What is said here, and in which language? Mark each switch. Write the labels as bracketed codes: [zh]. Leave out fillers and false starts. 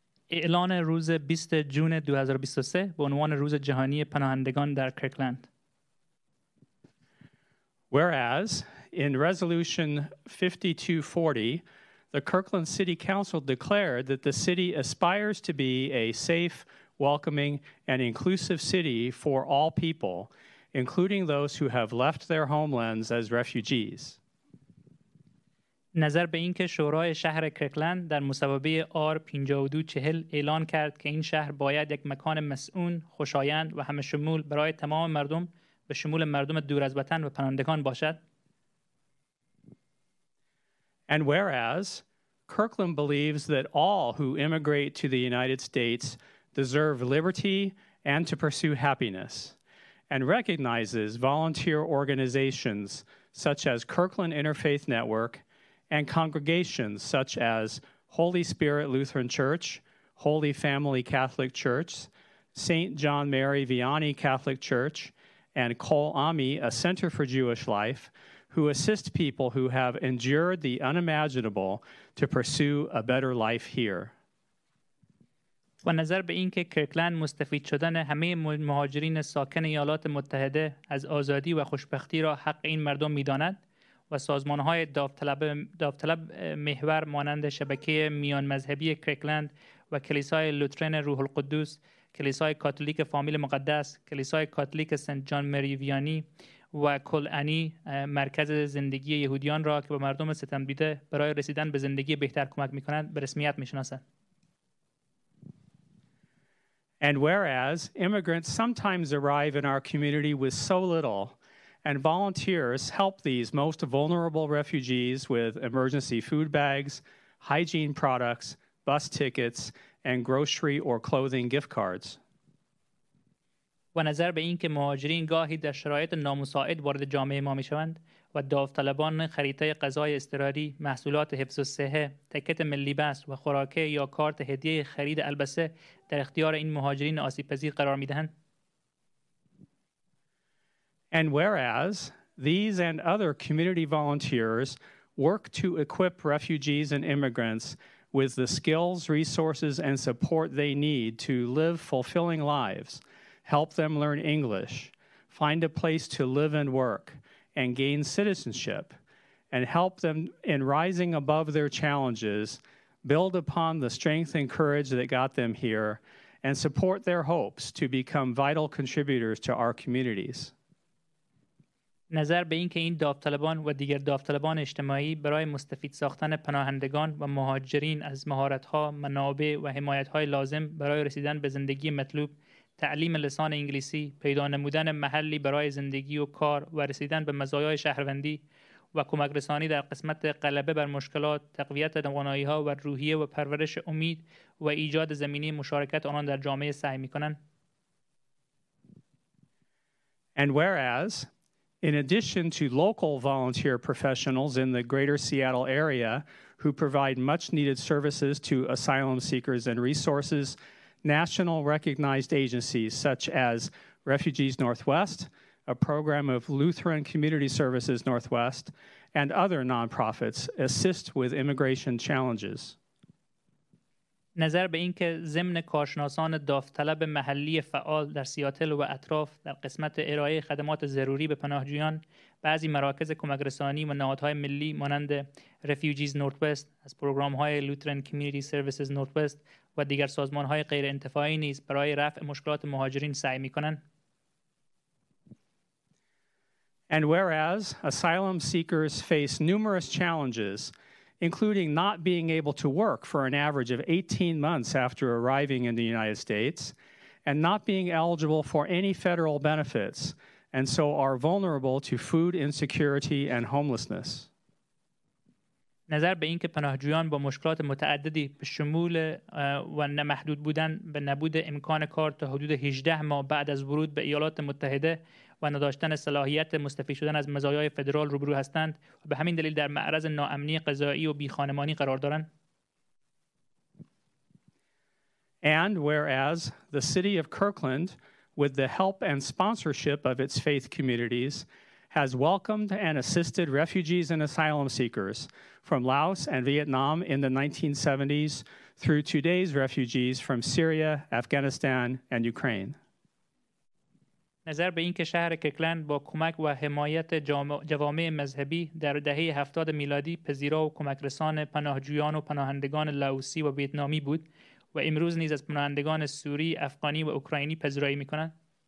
[fa] اعلان روز 20 جون 2023 به عنوان روز جهانی پناهندگان در کرکلند. [en] Whereas in resolution 5240, the Kirkland City Council declared that the city aspires to be a safe, welcoming, and inclusive city for all people, including those who have left their homelands as refugees. [fa] نظر به اینکه شورای شهر کرکلند در مسابقه R5240 اعلان کرد که این شهر باید یک مکان مسئول، خوشایند و همه شمول برای تمام مردم به شمول مردم دور از وطن و پناهندگان باشد. [en] And whereas Kirkland believes that all who immigrate to the United States deserve liberty and to pursue happiness and recognizes volunteer organizations such as Kirkland Interfaith Network and congregations such as Holy Spirit Lutheran Church, Holy Family Catholic Church, St. John Mary Vianney Catholic Church, and Kol Ami, a center for Jewish life, who assist people who have endured the unimaginable to pursue a better life here. [fa] و نظر به اینکه کرکلند مستفید شدن همه مهاجرین ساکن ایالات متحده از آزادی و خوشبختی را حق این مردم می‌داند. و سازمان‌های داوطلب محور مانند شبکه میان مذهبی کرکلند و کلیسای لوترن روح القدس، کلیسای کاتولیک فامیل مقدس، کلیسای کاتولیک سنت جان مری ویانی و کل انی مرکز زندگی یهودیان را که به مردم ستم دیده برای رسیدن به زندگی بهتر کمک می‌کنند به رسمیت می‌شناسند. [en] And whereas immigrants sometimes arrive in our community with so little, and volunteers help these most vulnerable refugees with emergency food bags, hygiene products, bus tickets, and grocery or clothing gift cards. [fa] و نظر به اینکه مهاجرین گاهی در شرایط نامساعد وارد جامعه ما میشوند و داوطلبان خریده غذای اضطراری، محصولات حفظ الصحه، تکت ملی بس و خوراکه یا کارت هدیه خرید البسه در اختیار این مهاجرین آسیب‌پذیر قرار میدهند. [en] And whereas these and other community volunteers work to equip refugees and immigrants with the skills, resources, and support they need to live fulfilling lives, help them learn English, find a place to live and work, and gain citizenship, and help them in rising above their challenges, build upon the strength and courage that got them here, and support their hopes to become vital contributors to our communities. [fa] نظر به اینکه این داوطلبان و دیگر داوطلبان اجتماعی برای مستفید ساختن پناهندگان و مهاجرین از مهارت‌ها، منابع و حمایت‌های لازم برای رسیدن به زندگی مطلوب، تعلیم لسان انگلیسی، پیدا نمودن محلی برای زندگی و کار و رسیدن به مزایای شهروندی و کمک رسانی در قسمت غلبه بر مشکلات، تقویت توانایی‌ها و روحیه و پرورش امید و ایجاد زمینه مشارکت آنان در جامعه سعی می‌کنند. [en] And whereas in addition to local volunteer professionals in the greater Seattle area who provide much needed services to asylum seekers and resources, national recognized agencies such as Refugees Northwest, a program of Lutheran Community Services Northwest, and other nonprofits assist with immigration challenges. [fa] نظر به اینکه ضمن کارشناسان داوطلب محلی فعال در سیاتل و اطراف در قسمت ارائه خدمات ضروری به پناهجویان بعضی مراکز کمک رسانی و نهادهای ملی مانند Refugees Northwest از پروگرام‌های Lutheran Community Services Northwest و دیگر سازمان‌های غیر انتفاعی نیز برای رفع مشکلات مهاجرین سعی می‌کنند. [en] And whereas asylum seekers face numerous challenges including not being able to work for an average of 18 months after arriving in the United States, and not being eligible for any federal benefits, and so are vulnerable to food insecurity and homelessness. [fa] نظر به اینکه پناهجویان با مشکلات متعددی به شمول و نمحدود بودن به نبود امکان کار تا حدود 18 ماه بعد از ورود به ایالات متحده و نداشتن صلاحیت مستفید شدن از مزایای فدرال روبرو هستند و به همین دلیل در معرض ناامنی قضایی و بیخانمانی قرار دارند. [en] And whereas the city of Kirkland, with the help and sponsorship of its faith communities, has welcomed and assisted refugees and asylum seekers from Laos and Vietnam in the 1970s through today's refugees from Syria, Afghanistan, and Ukraine. [fa] نظر به اینکه شهر کرکلند با کمک و حمایت جوامع مذهبی در دهه 70 میلادی پذیرا و کمک رسان پناهجویان و پناهندگان لاوسی و ویتنامی بود و امروز نیز از پناهندگان سوری، افغانی و اوکراینی پذیرایی می‌کند.